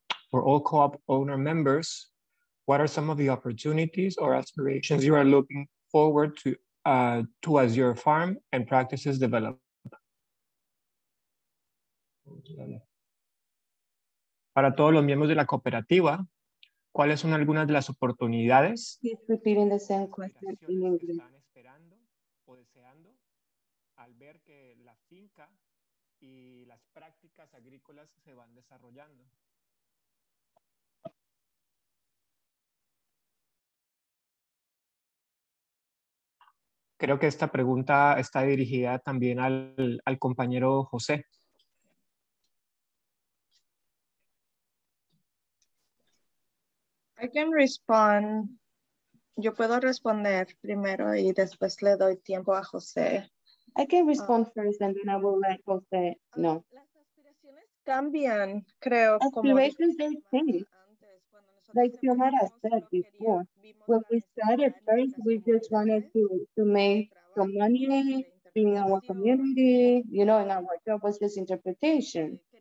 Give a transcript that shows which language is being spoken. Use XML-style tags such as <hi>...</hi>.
<en>For all co-op owner members, what are some of the opportunities or aspirations you are looking forward to as your farm and practices develop?</en> <es>Para todos los miembros de la cooperativa, ¿cuáles son algunas de las oportunidades?</es> <en>He's repeating the same question in English.</en> <es>¿Están esperando o deseando al ver que la finca y las prácticas agrícolas se van desarrollando? Creo que esta pregunta está dirigida también al compañero José.</es> <en>I can respond.</en> <es>Yo puedo responder primero y después le doy tiempo a José.</es> <en>I can respond first and then I will let José know.</en> <es>Las aspiraciones cambian, creo.</es> <en>Aspirations, they change. Like you had said before, when we started first, we just wanted to make some money in our community, you know, and our job was just interpretation.</en>